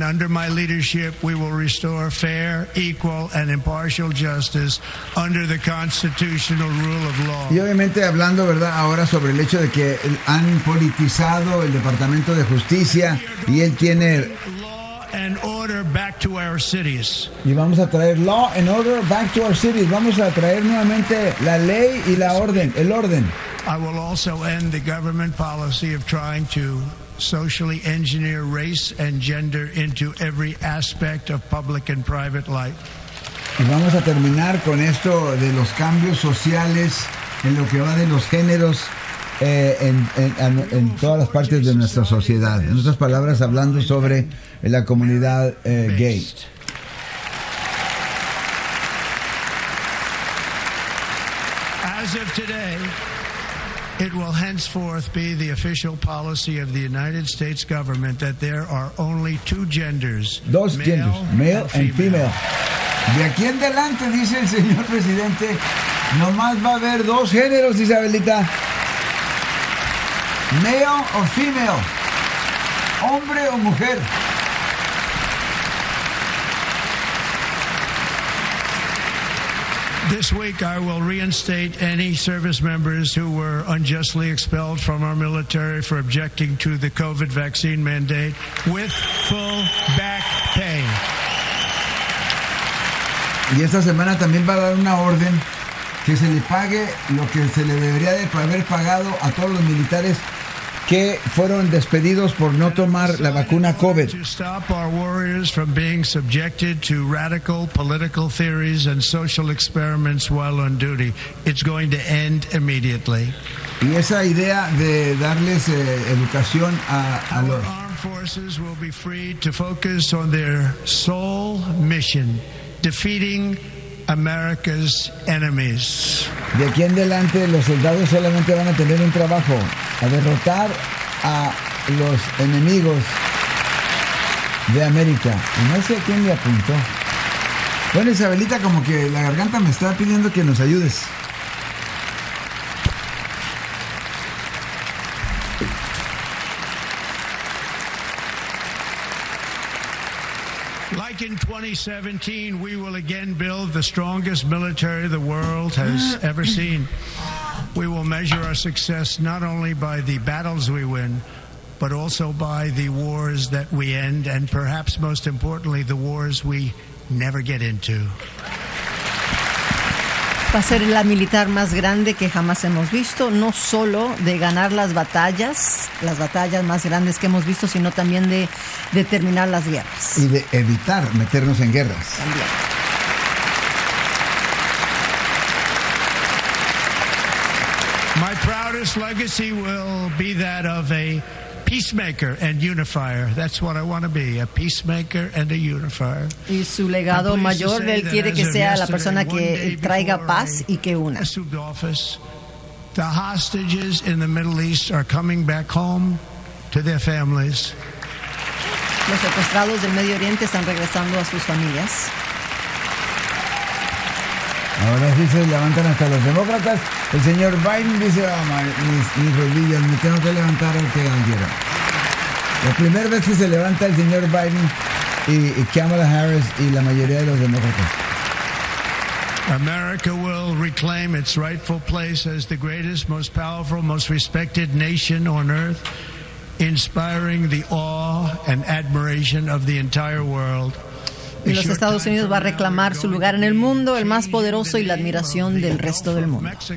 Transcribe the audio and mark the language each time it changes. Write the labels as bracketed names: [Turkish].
[English] Under my leadership, we will restore fair, equal, and impartial justice under the constitutional rule of law. [Spanish] Y obviamente hablando, ¿verdad?, ahora sobre el hecho de que han politizado el Departamento de Justicia y él tiene [English] and order back to our cities. [Spanish] Y vamos a traer [English] law and order back to our cities. [Spanish] Vamos a traer nuevamente la ley y la orden, el orden. I will also end the government policy of trying to socially engineer race and gender into every aspect of public and private life. Y vamos a terminar con esto de los cambios sociales en lo que va de los géneros. En todas las partes de nuestra sociedad. En otras palabras, hablando sobre la comunidad gay. [English] As of today, it will henceforth be the official policy of the United States government that there are only two genders. [Spanish] Dos géneros, [English] male and female. [Spanish] De aquí en adelante, dice el señor presidente, nomás va a haber dos géneros, Isabelita. [English] Male or female, [Spanish] hombre o mujer. [English] This week I will reinstate any service members who were unjustly expelled from our military for objecting to the COVID vaccine mandate with full back pay. [Spanish] Y esta semana también va a dar una orden que se le pague lo que se le debería de haber pagado a todos los militares que fueron despedidos por no tomar la vacuna COVID. [English] To stop our warriors from being subjected to radical political theories and social experiments while on duty. It's going to end immediately. [Spanish] Y esa idea de darles educación a los [English] armed forces will be free to focus on their sole mission, defeating America's enemies. [Spanish] De aquí en adelante los soldados solamente van a tener un trabajo, a derrotar a los enemigos de América. Y no sé a quién le apuntó. Bueno, Isabelita, como que la garganta me está pidiendo que nos ayudes. [English] Like in 2017, we will again build the strongest military the world has ever seen. We will measure our success not only by the battles we win, but also by the wars that we end, and perhaps most importantly, the wars we never get into. [Spanish] Va a ser la militar más grande que jamás hemos visto, no solo de ganar las batallas más grandes que hemos visto, sino también de terminar las guerras. Y de evitar meternos en guerras. También. [English] My proudest legacy will be that of a peacemaker and unifier. That's what I want to be, a peacemaker and a unifier. [Spanish] Y su legado mayor, él quiere que sea la persona que traiga paz y que una. [English] Assumed office, the hostages in the Middle East are coming back home to their families. [Spanish] Los secuestrados del Medio Oriente están regresando a sus familias. Ahora sí se levantan hasta los demócratas. El señor Biden dice, oh, mis rodillas, me tengo que levantar al que quiera. La primera vez que se levanta el señor Biden y Kamala Harris y la mayoría de los demócratas. [English] America will reclaim its rightful place as the greatest, most powerful, most respected nation on earth, inspiring the awe and admiration of the entire world. [Spanish] Y los Estados Unidos va a reclamar su lugar en el mundo, el más poderoso y la admiración del resto del mundo.